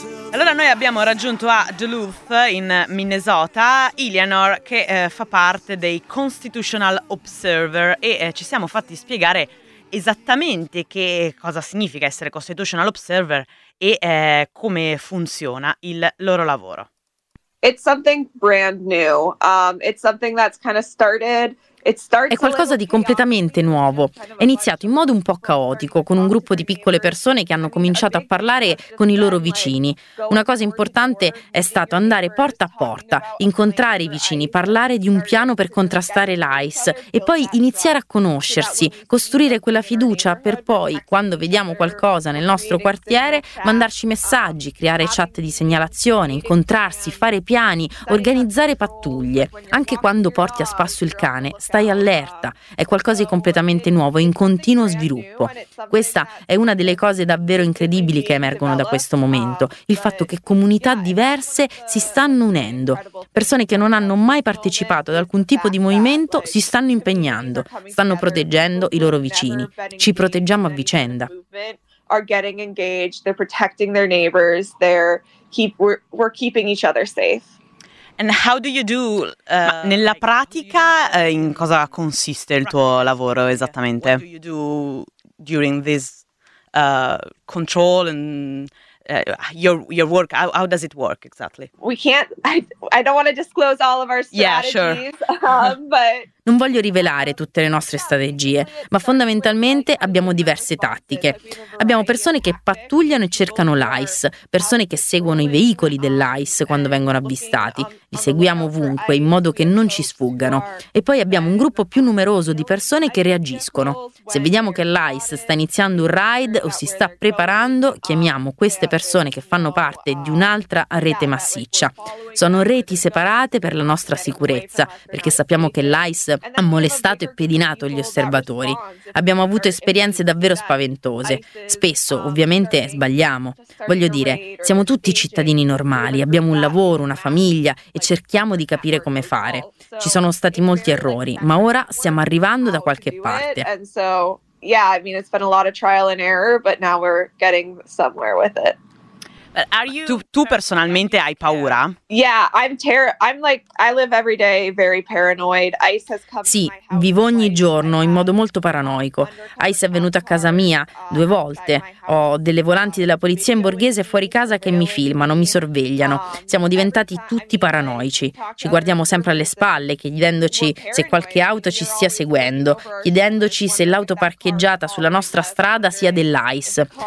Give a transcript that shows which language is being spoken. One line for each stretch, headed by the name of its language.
Italian: Allora noi abbiamo raggiunto a Duluth in Minnesota Eleanor, che fa parte dei Constitutional Observer, e ci siamo fatti spiegare esattamente che cosa significa essere Constitutional Observer e come funziona il loro lavoro.
English: It's something brand new. It's something that's kind of started.
Italian: È qualcosa di completamente nuovo. È iniziato in modo un po' caotico, con un gruppo di piccole persone che hanno cominciato a parlare con i loro vicini. Una cosa importante è stato andare porta a porta, incontrare i vicini, parlare di un piano per contrastare l'ICE e poi iniziare a conoscersi, costruire quella fiducia per poi, quando vediamo qualcosa nel nostro quartiere, mandarci messaggi, creare chat di segnalazione, incontrarsi, fare piani, organizzare pattuglie. Anche quando porti a spasso il cane, stai allerta, è qualcosa di completamente nuovo, in continuo sviluppo. Questa è una delle cose davvero incredibili che emergono da questo momento, il fatto che comunità diverse si stanno unendo. Persone che non hanno mai partecipato ad alcun tipo di movimento si stanno impegnando, stanno proteggendo i loro vicini. Ci proteggiamo a vicenda.
English: Are getting engaged, they're protecting their neighbors, we're keeping each other safe. And how do you do,
Italian: ma nella pratica in cosa consiste il tuo lavoro esattamente?
English: What do you do during this control and your work? How does it work exactly? We can't, I don't want to disclose all of our strategies. Yeah, sure. But
Italian: non voglio rivelare tutte le nostre strategie, ma fondamentalmente abbiamo diverse tattiche. Abbiamo persone che pattugliano e cercano l'ICE, persone che seguono i veicoli dell'ICE quando vengono avvistati. Li seguiamo ovunque, in modo che non ci sfuggano. E poi abbiamo un gruppo più numeroso di persone che reagiscono. Se vediamo che l'ICE sta iniziando un raid o si sta preparando, chiamiamo queste persone che fanno parte di un'altra rete massiccia. Sono reti separate per la nostra sicurezza, perché sappiamo che l'ICE ha molestato e pedinato gli osservatori. Abbiamo avuto esperienze davvero spaventose. Spesso, ovviamente, sbagliamo. Voglio dire, siamo tutti cittadini normali, abbiamo un lavoro, una famiglia e cerchiamo di capire come fare. Ci sono stati molti errori, ma ora stiamo arrivando da qualche parte.
English: Yeah, I mean it's been a lot of trial and error, but now we're getting somewhere with it. But are you
Italian: tu personalmente hai paura?
English: Yeah, I'm like I live every day very paranoid. ICE has come.
Italian: Sì, vivo ogni giorno in modo molto paranoico. ICE è venuto a casa mia due volte. Ho delle volanti della polizia in borghese fuori casa che mi filmano, mi sorvegliano. Siamo diventati tutti paranoici. Ci guardiamo sempre alle spalle, chiedendoci se qualche auto ci stia seguendo, chiedendoci se l'auto parcheggiata sulla nostra strada sia dell'ICE.